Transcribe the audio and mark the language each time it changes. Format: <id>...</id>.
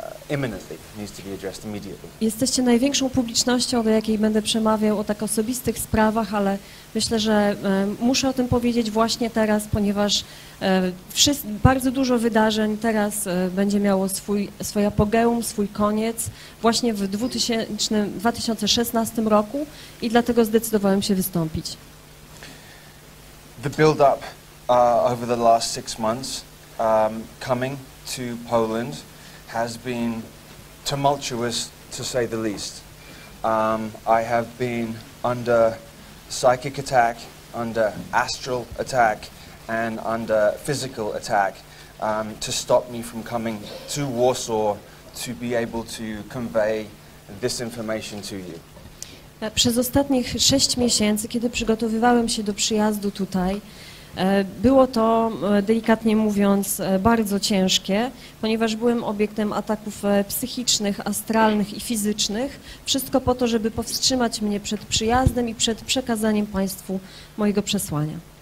<en>Imminently, needs to be addressed immediately.</en> <pl>Jesteście największą publicznością, do jakiej będę przemawiał o tak osobistych sprawach, ale myślę, że muszę o tym powiedzieć właśnie teraz, ponieważ bardzo dużo wydarzeń teraz będzie miało swój apogeum, swój koniec właśnie w 2016 roku i dlatego zdecydowałem się wystąpić.</pl> <en>The build-up over the last six months coming to Poland has been tumultuous, to say the least. I have been under psychic attack, under astral attack, and under physical attack to stop me from coming to Warsaw to be able to convey this information to you.</en> <pl>Przez ostatnich 6 miesięcy, kiedy przygotowywałem się do przyjazdu tutaj, było to, delikatnie mówiąc, bardzo ciężkie, ponieważ byłem obiektem ataków psychicznych, astralnych i fizycznych. Wszystko po to, żeby powstrzymać mnie przed przyjazdem i przed przekazaniem Państwu mojego przesłania.</pl>